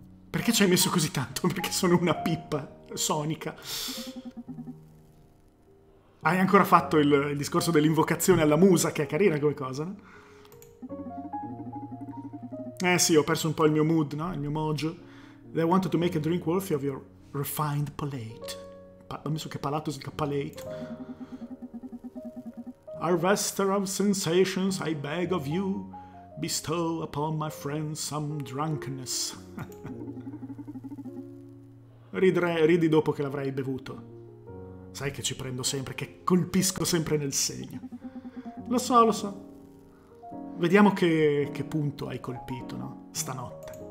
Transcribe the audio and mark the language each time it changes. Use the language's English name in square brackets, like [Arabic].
[Italian] Perché ci hai messo così tanto? Perché sono una pippa sonica. Hai ancora fatto il discorso dell'invocazione alla musa, che è carina come cosa, no? Eh sì, ho perso un po' il mio mood, no? Il mio mojo. [English] They wanted to make a drink worthy of your refined palate. [Italian] Ho messo che palato si dica palate. [English] Harvester of sensations, I beg of you, bestow upon my friend some drunkenness. [Italian] Ridi dopo che l'avrai bevuto. Sai che ci prendo sempre, che colpisco sempre nel segno. Lo so, lo so. Vediamo che punto hai colpito, no? Stanotte.